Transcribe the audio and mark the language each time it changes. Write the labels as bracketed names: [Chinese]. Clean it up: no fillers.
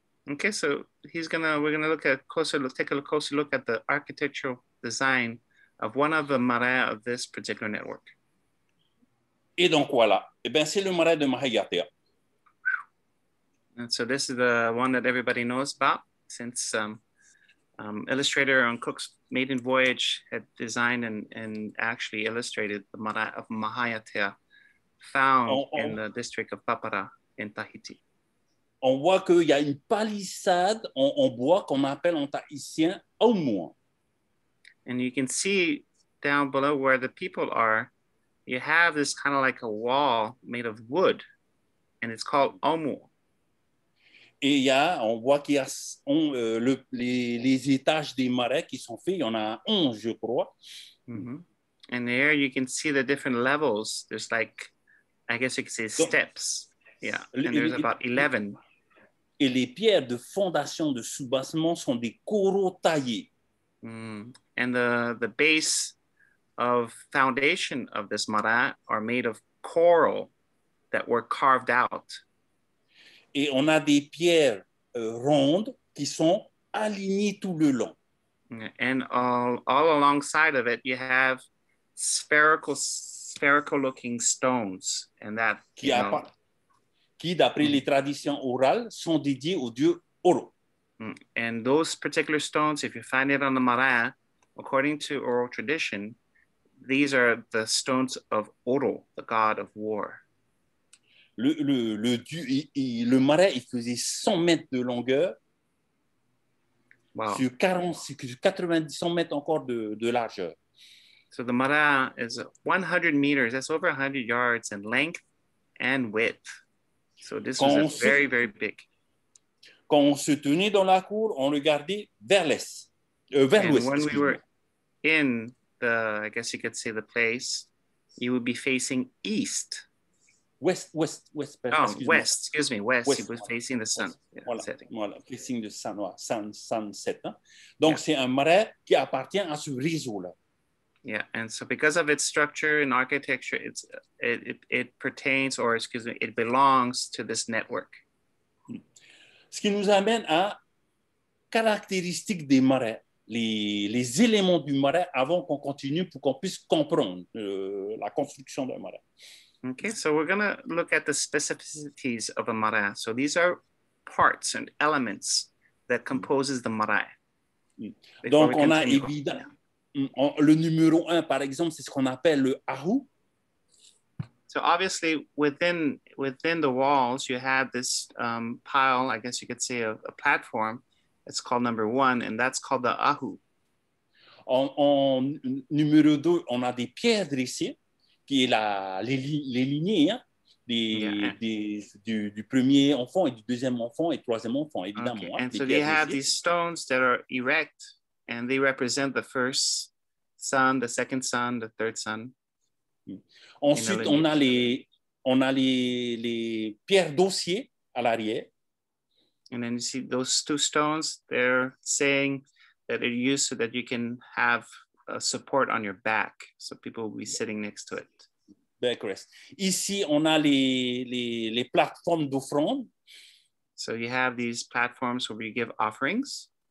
[English] Okay, so we're gonna take a closer look at the architectural design of one of the marais of this particular network. [French] Et donc voilà, et ben c'est le marais de Raʻiātea. [English] And so this is the one that everybody knows about, since illustrator on Cook's maiden voyage had designed and actually illustrated the marae of Raʻiātea. Found in the district of Papara in Tahiti. [French] On voit qu'il y a une palissade en bois qu'on appelle en tahitien aumua. [English] And you can see down below where the people are, you have this kind of like a wall made of wood, and it's called aumua. [French] Et il y a, on voit qu'il y a les étages des marais qui sont faits, il y en a 11, je crois. Mm-hmm. [English] And there you can see the different levels. There's like, I guess you could say steps. Yeah, and there's about 11. [French] Et les pierres de fondation de sous-bassement sont des coraux taillés. Mm. [English] And the base of foundation of this mara are made of coral that were carved out. [French] Et on a des pierres rondes qui sont alignées tout le long. [English] And all alongside of it, you have spherical looking stones, and that [French] qui d'après les traditions orales sont dédiés au dieu Oro. [English] And those particular stones, if you find it on the mara, according to oral tradition, these are the stones of Oro, the god of war. [French] Le dieu, le mara, il faisait 100 mètres de longueur. Wow. Sur 90 mètres encore de largeur. [English] So the mara is 100 meters, that's over 100 yards in length and width. So this was very, very big. [French] Quand on se tenait dans la cour, on regardait vers l'est, vers l'ouest. [English] And when we were in the, I guess you could say the place, you would be facing east. West. You were facing the sun. Facing the sunset. [French] Donc c'est un marais qui appartient à ce réseau-là. [English] Yeah, and so because of its structure and architecture, it belongs to this network. [French] Ce qui nous amène à caractéristiques des marais, les éléments du marais avant qu'on continue pour qu'on puisse comprendre la construction d'un marais. [English] Okay, so we're going to look at the specificities of a marais. So these are parts and elements that composes the marae. [French] Donc on a évidemment le numéro 1 par exemple, c'est ce qu'on appelle le ahu. [English] So obviously within the walls you have this pile, I guess you could say a platform. It's called number 1 and that's called the ahu. [French] En numéro 2, on a des pierres dressées qui est les lignées hein, du premier enfant et du deuxième enfant et troisième enfant évidemment. Okay. [English] And so they have these stones that are erect and they represent the first son, the second son, the third son. [French] Ensuite, on a les pierres dossiers à l'arrière. [English] And then you see those two stones, they're saying that it used so that you can have a support on your back, so people will be sitting next to it. [French] Backrest. Ici, on a les plateformes d'offrande. [English] So you have these platforms where you give offerings.